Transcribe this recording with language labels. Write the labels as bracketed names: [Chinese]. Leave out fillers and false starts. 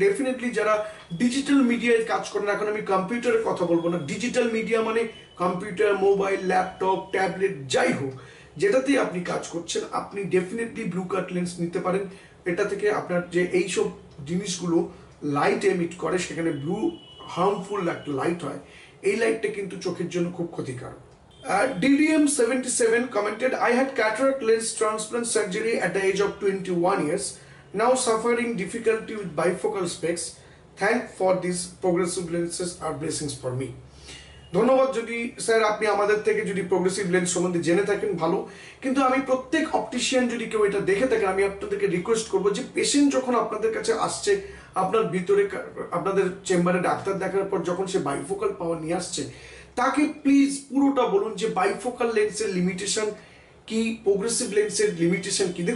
[Bangla] Definitely যারা digital মিডিয়ায় কাজ করেন, না এখন আমি কম্পিউটারের কথা বলবো না, ডিজিটাল মিডিয়া মানে কম্পিউটার মোবাইল ল্যাপটপ ট্যাবলেট যাই হোক যেটাতেই আপনি কাজ করছেন, আপনি ডেফিনেটলি ব্লু কাট লেন্স নিতে পারেন। এটা থেকে আপনার যে এইসব জিনিসগুলো লাইট এমিট করে সেখানে ব্লু হার্মফুল একটা লাইট হয়, এই লাইটটা কিন্তু চোখের জন্য খুব ক্ষতিকারক। [English] DDM77 commented, I had cataract lens transplant surgery at the age of 21 years, now suffering difficulty with bifocal specs. Thank for these progressive lenses are blessings for me. [Bangla] ধন্যবাদ যদি স্যার আপনি আমাদের থেকে যদি প্রোগ্রেসিভ লেন্স সম্বন্ধে জেনে থাকেন ভালো। কিন্তু আমি প্রত্যেক অপটিশিয়ান যদি কেউ এটা দেখে থাকে, আমি আপনাদেরকে রিকোয়েস্ট করবো যে পেশেন্ট যখন আপনাদের কাছে আসছে আপনার ভিতরে আপনাদের চেম্বারে ডাক্তার দেখার পর যখন সে বাইফোকাল পাওয়ার নিয়ে আসছে, তাকে প্লিজ পুরোটা বলুন যে বাইফোকাল লেন্সের লিমিটেশান কী, প্রোগ্রেসিভ লেন্সের লিমিটেশান কী।